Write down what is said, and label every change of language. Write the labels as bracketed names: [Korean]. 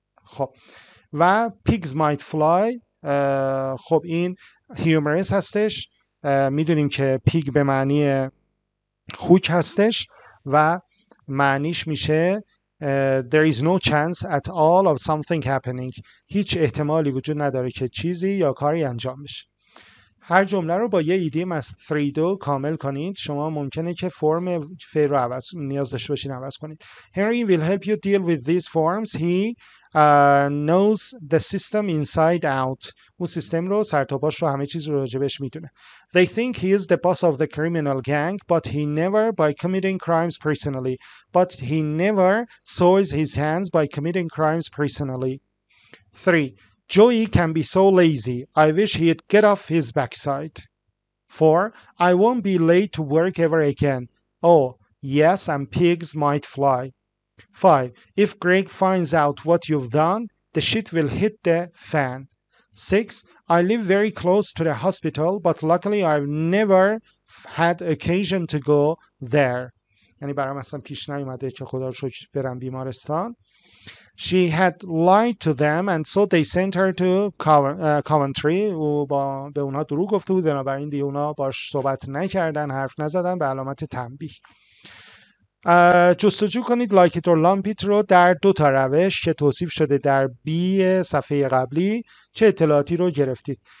[Persian] خب و پیگز مایت فلای، خب این هیومرس هستش، میدونیم که پیگ به معنی خوک هستش و معنیش میشه [English] there is no chance at all of something happening، [Persian] هیچ احتمالی وجود نداره که چیزی یا کاری انجام بشه. هر جمله رو با یه ایدیم از 3-2 کامل کنید، شما ممکنه که فرم فعل رو عوض نیاز داشته باشین عوض کنید. [English] Henry will help you deal with these forms. He knows the system inside out. اون سیستم رو، سرتاپاش رو، همه چیز رو راجبش میدونه. They think he is the boss of the criminal gang, but he never by committing crimes personally. But he never soils his hands by committing crimes personally. 3. Joey can be so lazy. I wish he'd get off his backside. 4. I won't be late to work ever again. Oh, yes, and pigs might fly. 5. If Greg finds out what you've done, the shit will hit the fan. 6. I live very close to the hospital, but luckily I've never had occasion to go there. [Persian] یعنی برام اصلا پیش نیومده که خدا رو شکر برم بیمارستان. [English] She had lied to them and so they sent her to Coventry. [Persian] او با به اونها دروغ گفته بود، بنابراین دیگه اونها باش صحبت نکردن، حرف نزدن، به علامت تنبیه. جستجو کنید like it or lump it رو در دو تا روش که توصیف شده در بی صفحه قبلی، چه اطلاعاتی رو گرفتید.